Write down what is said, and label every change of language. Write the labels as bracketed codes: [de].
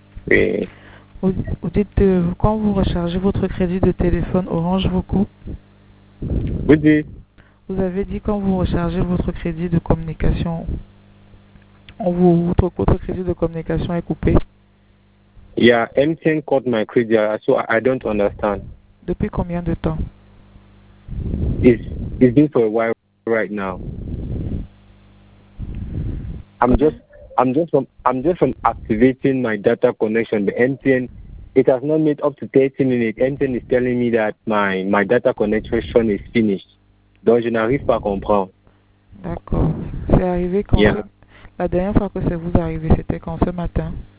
[fr] Oui. Vous dites que quand vous rechargez votre crédit de téléphone Orange, vous coupe. Vous dites. Vous avez dit quand vous rechargez votre crédit de communication, votre crédit de communication est coupé. [en] Yeah, MTN cut my credit, so I don't understand. [fr] Depuis combien de temps? [en] It's been for a while right now. I'm just from activating my data connection. The MTN, it has not made up to 30 minutes. MTN is telling me that my data connection is finished. [fr] Donc, je n'arrive pas à comprendre. D'accord. C'est arrivé quand? Yeah. La dernière fois que c'est vous arrivé, c'était quand, ce matin?